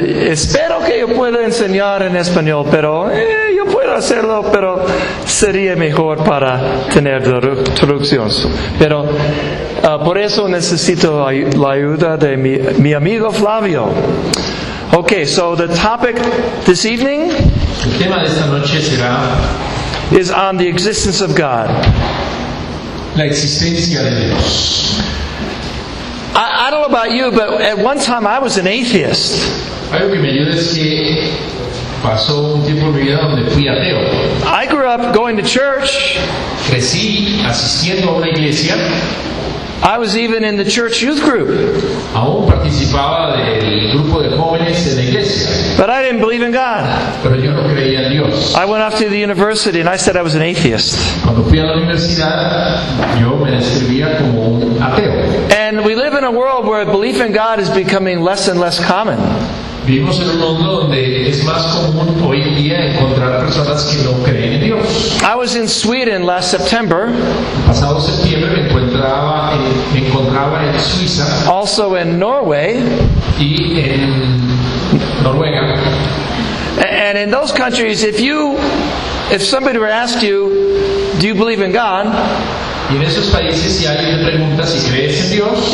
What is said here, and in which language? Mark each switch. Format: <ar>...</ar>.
<es>Espero que yo pueda enseñar en español, pero yo puedo hacerlo, pero sería mejor para tener traducción. Pero por eso necesito la ayuda de mi amigo Flavio.</es> <en>Okay, so the topic this evening.</en> <es>El tema de esta noche será.</es> <en>Is on the existence of God.</en> <es>La existencia de Dios.</es> <en>I don't know about you, but at one time I was an atheist.</en> <es>Algo que me ayuda es que pasó un tiempo en mi vida donde fui ateo.</es> <en>I grew up going to church.</en> <es>Crecí asistiendo a una iglesia.</es> <en>I was even in the church youth group.</en> <es>Aún participaba del grupo de jóvenes en la iglesia.</es> <en>But I didn't believe in God.</en> <es>Pero yo no creía en Dios.</es> <en>I went off to the university and I said I was an atheist.</en> <es>Cuando fui a la universidad, yo me describía como un ateo.</es> <en>And we live in a world where belief in God is becoming less and less common.</en> <es>Vivimos en un mundo donde es más común hoy en día encontrar personas que no creen en Dios.</es> <en>I was in Sweden last September.</en> <es>El pasado septiembre me encontraba en Suiza.</es> <en>Also in Norway.</en> <es>Y en Noruega.</es> <en>And in those countries, if somebody were to ask you, do you believe in God?</en> <es>Y en esos países, si alguien te pregunta si crees en Dios,</es>